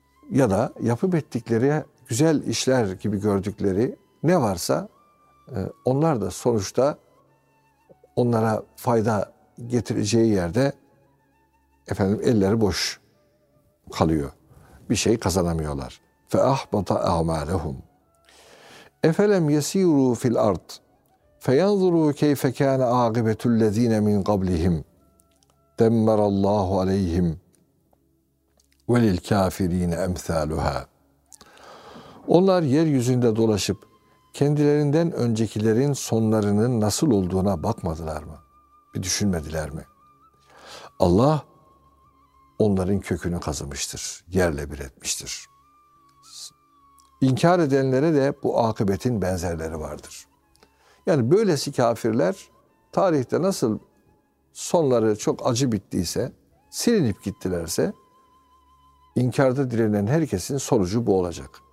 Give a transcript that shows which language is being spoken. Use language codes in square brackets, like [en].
[tr] Ya da yapıp ettikleri güzel işler gibi gördükleri ne varsa onlar da sonuçta onlara fayda getireceği yerde efendim elleri boş kalıyor. Bir şey kazanamıyorlar. [ar] فَاَحْبَطَ اَعْمَالَهُمْ اَفَلَمْ يَس۪يرُوا فِي الْاَرْضِ فَيَنْظُرُوا كَيْفَ كَانَ عَاقِبَةُ الَّذ۪ينَ مِنْ قَبْلِهِمْ دَمَّرَ اللّٰهُ عَلَيْهِمْ وَلِلْكَافِر۪ينَ اَمْثَالُهَا [tr] Onlar yeryüzünde dolaşıp kendilerinden öncekilerin sonlarının nasıl olduğuna bakmadılar mı? Bir düşünmediler mi? Allah onların kökünü kazımıştır, yerle bir etmiştir. İnkar edenlere de bu akıbetin benzerleri vardır. Yani böylesi kafirler tarihte nasıl sonları çok acı bittiyse, silinip gittilerse, inkarda direnen herkesin sonucu bu olacak.